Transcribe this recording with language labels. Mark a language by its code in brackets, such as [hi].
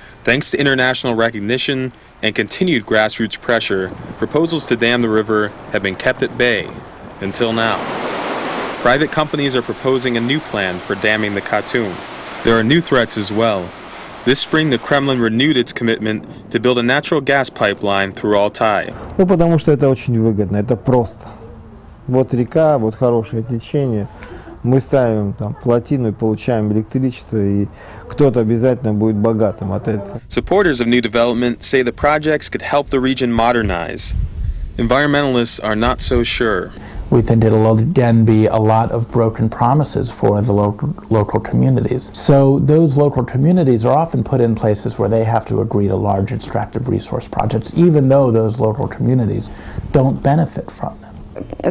[en] Thanks to international recognition and continued grassroots pressure, proposals to dam the river have been kept at bay until now. Private companies are proposing a new plan for damming the Katyn. There are new threats as well. This spring, the Kremlin renewed its commitment to build a natural gas pipeline through Altai. [ru] Ну потому что это очень выгодно, это просто. Вот река, вот хорошее течение. Мы ставим там плотину и получаем электричество, и кто-то обязательно будет богатым от этого. [en] Supporters of new development say the projects could help the region modernize. Environmentalists are not so sure. We think it'll again be a lot of broken promises for the local communities. So those local communities are often put in places where they have to agree to large extractive resource projects, even though those local communities don't benefit from them.